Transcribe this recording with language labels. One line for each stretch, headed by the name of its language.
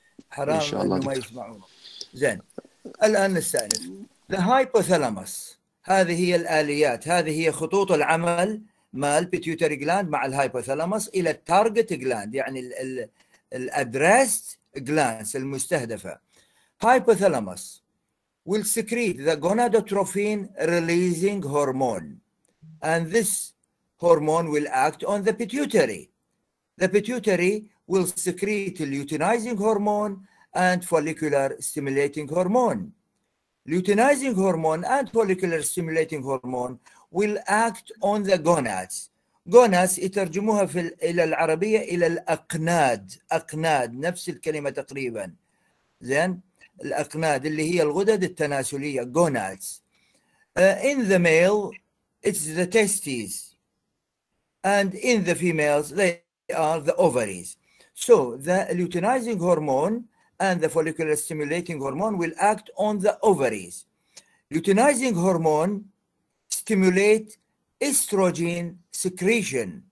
Arabic: حرام انه ما يسمعون. زين الآن نستأنف. The hypothalamus، هذه هي الآليات، هذه هي خطوط العمل مع البيتيوتري جلاند مع الهايبوثالاموس إلى التارجت جلاند، يعني الأدريست جلاند المستهدفة.
English: hypothalamus will secrete the gonadotrophin releasing hormone and this hormone will act on the pituitary. The pituitary will secrete luteinizing hormone and follicular stimulating hormone. Luteinizing hormone and follicular stimulating hormone will act on the gonads.
Arabic: Gonads يترجموها في الى العربيه الى الاقناد. اقناد نفس الكلمه تقريبا. زين الاقناد اللي هي الغدد التناسليه gonads.
English: In the male it's the testes and in the females they are the ovaries. So the luteinizing hormone and the follicular stimulating hormone will act on the ovaries. Luteinizing hormone stimulate estrogen secretion.